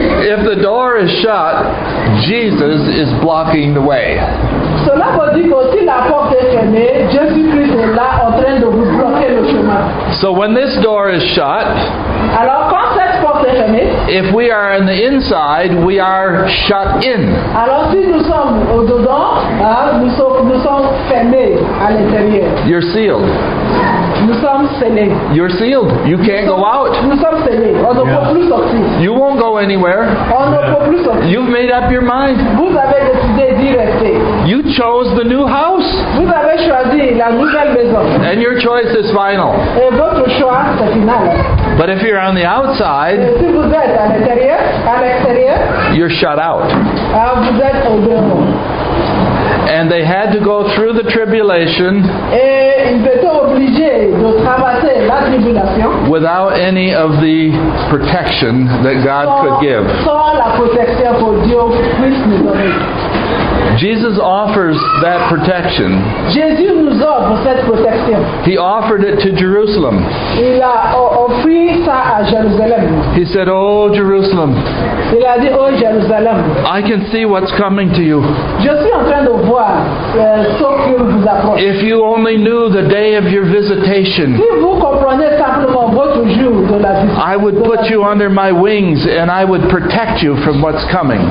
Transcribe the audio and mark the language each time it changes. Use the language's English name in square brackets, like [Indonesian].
[English] If the door is shut, Jesus is blocking the way. [French] Cela veut dire que si la porte est fermée, Jésus-Christ est là en train de vous bloquer le chemin. [English] So when this door is shut, [French] alors quand cette porte est fermée, [English] if we are on the inside, we are shut in. [French] Alors si nous sommes au dedans, nous sommes fermés à l'intérieur. [English] You're sealed. [French] Nous sommes scellés. [English] You're sealed. You can't go out. [French] Nous sommes scellés. On ne peut plus sortir. [English] You won't go anywhere. [French] On ne peut plus sortir. [English] You've made up your mind. [French] Vous avez décidé d'y rester. [English] You chose the new house. [French] Vous avez choisi la nouvelle maison. [English] And your choice is final. [French] Et votre choix, c'est final. [English] But if you're on the outside, [French] si vous êtes à l'extérieur, [English] you're shut out. [French] Vous êtes au dehors. [English] And they had to go through the tribulation, [French] et ils étaient obligés de traverser la tribulation [English] without any of the protection that God could give. [French] Sans la protection pour Dieu puisse nous donner. [English] Jesus offers that protection. [French] Jésus nous offre cette protection. [English] He offered it to Jerusalem. [French] Il a offert ça à Jérusalem. [English] He said, "Oh Jerusalem." [French] Il a dit, "Oh Jérusalem." [English] I can see what's coming to you. [French] Je suis en train de voir ce qui vous approche. [English] If you only knew the day of your visitation. [French] Si vous comprenez simplement votre jour de la visite. [English] I would put you under my wings and I would protect you from what's coming.